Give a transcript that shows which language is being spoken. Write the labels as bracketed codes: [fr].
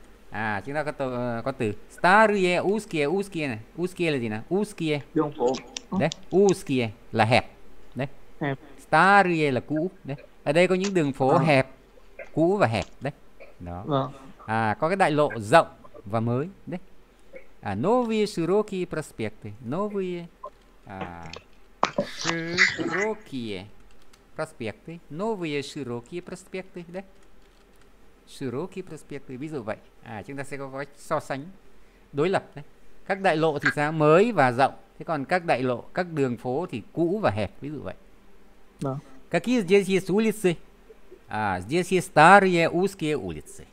[vi] À, chúng ta có từ [ru] старые узкие, узкие [vi] này. [ru] Узкие [vi] là gì nào? [ru] Узкие. [vi] Đường phố. Đấy, [ru] узкие [vi] là hẹp. Đấy. Hẹp. [ru] Старые [vi] là cũ. Đấy. Ở đây có những đường phố hẹp, cũ và hẹp. Đấy. Đó. À, có cái đại lộ rộng và mới. Đấy. [ru] À, новые широкие проспекты. Новые широкие проспекты. Новые широкие проспекты. [vi] Đấy. [ru] Широкие проспекты. [vi] Ví dụ vậy. À, chúng ta sẽ có cái so sánh đối lập đấy. Các đại lộ thì sao? Mới và rộng. Thế còn các đại lộ, các đường phố thì cũ và hẹp. Ví dụ vậy. [ru] Какие здесь есть улицы? À, здесь есть старые узкие улицы.